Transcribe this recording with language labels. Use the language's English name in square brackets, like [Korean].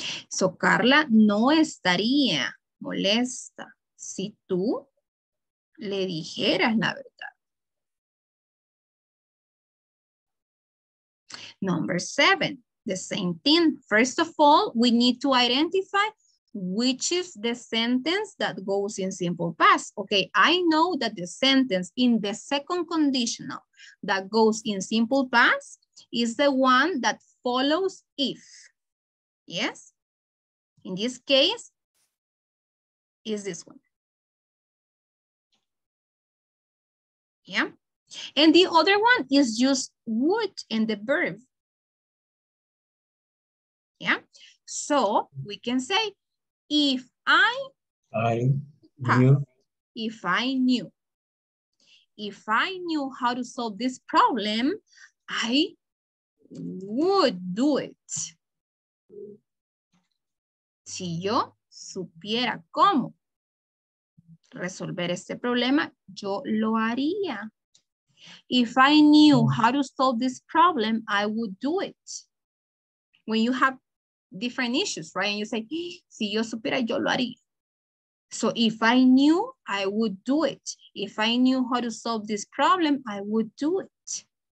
[Spanish] So, Carla no estaría molesta si tú le dijeras la verdad. [English] Number seven, the same thing. First of all, we need to identify which is the sentence that goes in simple past. Okay, I know that the sentence in the second conditional that goes in simple past is the one that follows if. Yes? In this case, is this one. Yeah. And the other one is just would in the verb. Yeah. So we can say, if I knew how to solve this problem, I would do it. [Spanish] Si yo supiera cómo resolver este problema, yo lo haría. [English] If I knew how to solve this problem, I would do it. When you have different issues, right? And you say, [Spanish] si yo supiera, yo lo haría. [English] So if I knew, I would do it. If I knew how to solve this problem, I would do it.